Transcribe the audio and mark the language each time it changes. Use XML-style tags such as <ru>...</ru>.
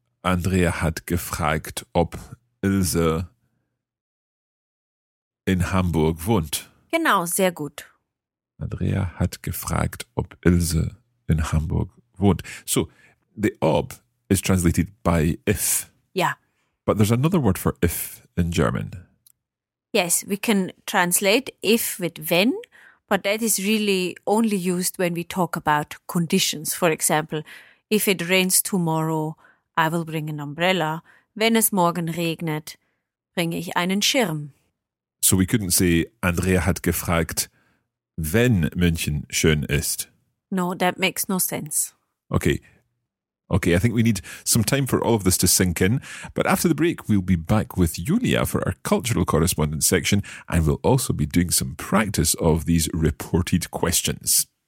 <de>Andrea hat gefragt, ob Ilse in Hamburg wohnt. Genau, sehr gut. Andrea hat gefragt, ob Ilse in Hamburg wohnt.</de> <en>So, the ob is translated by if. Yeah. But there's another word for if in German. Yes, we can translate if with wenn, but that is really only used when we talk about conditions. For example, if it rains tomorrow, I will bring an umbrella.</en> <de>Wenn es morgen regnet, bringe ich einen Schirm.</de> <en>So we couldn't say,</en> <de>Andrea hat gefragt, wenn München schön ist.</de> <en>No, that makes no sense. Okay, I think we need some time for all of this to sink in. But after the break, we'll be back with Julia for our cultural correspondence section, and we'll also be doing some practice of these reported questions.</en>